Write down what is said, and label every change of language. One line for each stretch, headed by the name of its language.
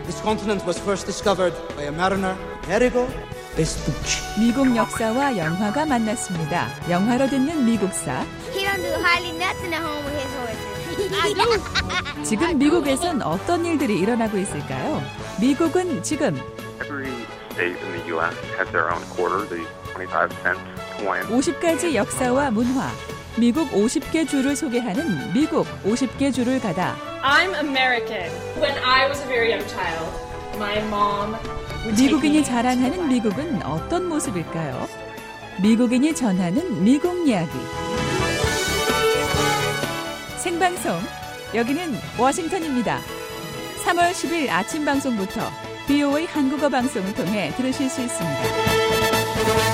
English: This continent was first discovered by a mariner, Amerigo Vespucci.
Korean: 미국 역사와 영화가 만났습니다. 영화로 듣는 미국사.
English: He don't do hardly nothing at home with his horses.
Korean: 지금 미국에선 어떤 일들이 일어나고 있을까요? 미국은 지금 50가지 역사와 문화, 미국 50개 주를 소개하는 미국 50개 주를 가다.
English: I'm American. When I was a very young child, my mom.
Korean: 미국인이 자랑하는 미국은 어떤 모습일까요? 미국인이 전하는 미국 이야기. 생방송, 여기는 워싱턴입니다. 3월 10일 아침 방송부터 VOA 한국어 방송을 통해 들으실 수 있습니다.